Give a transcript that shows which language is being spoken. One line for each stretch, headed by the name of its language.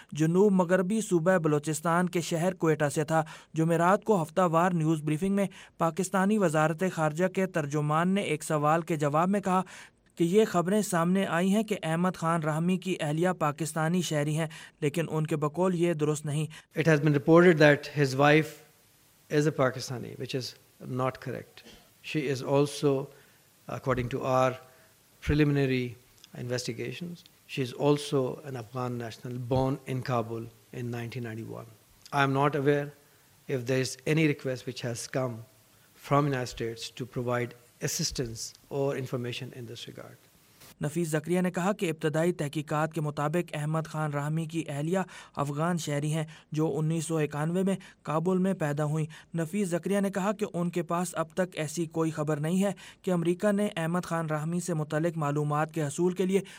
Urdu: جنوب مغربی صوبہ بلوچستان کے شہر کوئٹہ سے تھا۔ جمعرات کو ہفتہ وار نیوز بریفنگ میں پاکستانی وزارت خارجہ کے ترجمان نے ایک سوال کے جواب میں کہا کہ یہ خبریں سامنے آئی ہیں کہ احمد خان رحمی کی اہلیہ پاکستانی شہری ہیں، لیکن ان کے بقول یہ درست نہیں۔
English: It has been reported that his wife is a Pakistani, which is not correct. She is also, according to our preliminary investigations, she is also an Afghan national born in Kabul in 1991. I am not aware if there is any request which has come from United States to provide assistance or information in this regard.
Urdu: نفیس زکریہ نے کہا کہ ابتدائی تحقیقات کے مطابق احمد خان رحمی کی اہلیہ افغان شہری ہیں جو 1991 میں کابل میں پیدا ہوئیں۔ نفیس زکریہ نے کہا کہ ان کے پاس اب تک ایسی کوئی خبر نہیں ہے کہ امریکہ نے احمد خان رحمی سے متعلق معلومات کے حصول کے لیے